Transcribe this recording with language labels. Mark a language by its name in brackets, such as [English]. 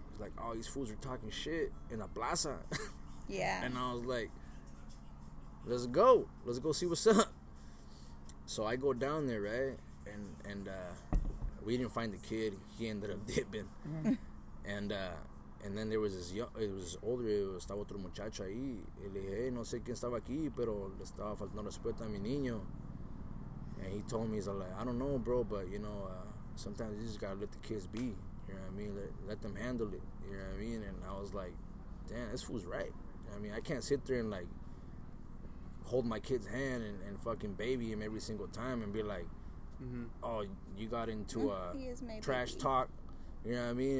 [English] He's like, oh, these fools are talking shit in the plaza. And I was like, let's go. Let's go see what's up. So I go down there, right, and we didn't find the kid. He ended up dipping, and then there was this young, it was older, [Spanish] estaba otro muchacho ahí. Y le dije, hey, no sé quién estaba aquí, pero le estaba faltando respeto a mi niño. [English] And he told me, he's like, I don't know, bro, but you know, sometimes you just gotta let the kids be. You know what I mean? Let them handle it. You know what I mean? And I was like, damn, this fool's right. I mean, I can't sit there and like hold my kid's hand and fucking baby him every single time and be like, oh, you got into a trash talk. You know what I mean?